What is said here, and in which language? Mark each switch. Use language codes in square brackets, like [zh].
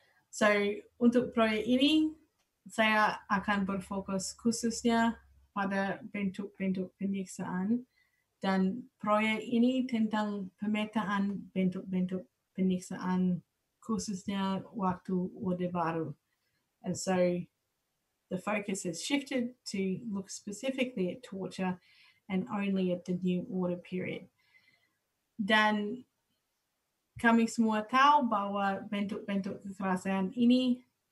[id] So untuk proyek ini, saya akan berfokus khususnya pada bentuk-bentuk penyiksaan, dan proyek ini tentang pemetaan bentuk-bentuk penyiksaan khususnya waktu Orde Baru. [en] And so the focus has shifted to look specifically at torture and only at the new order period. [id] Dan kami semua tahu bahwa bentuk-bentuk kekerasan ini